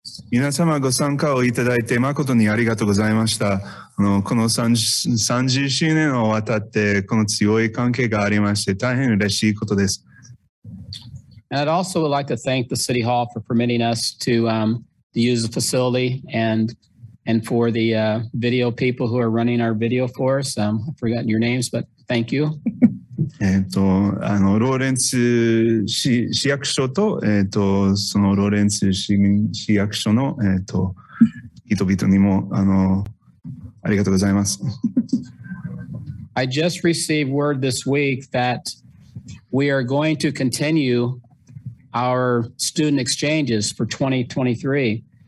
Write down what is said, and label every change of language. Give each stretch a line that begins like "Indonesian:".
Japanese: 皆様ご参加をいただいて誠にありがとうございました。この30周年をわたってこの強い関係がありまして大変嬉しいことです。
English: And I'd also would like to thank the City Hall for permitting us to use the facility and for the video people who are running our video for us. I've forgotten your names, but thank you.
Japanese: ローレンツ 市役所と、そのローレンツ 市役所の、人々にも ありがとうございます。
English: I just received word this week that we are going to continue our student exchanges for 2023.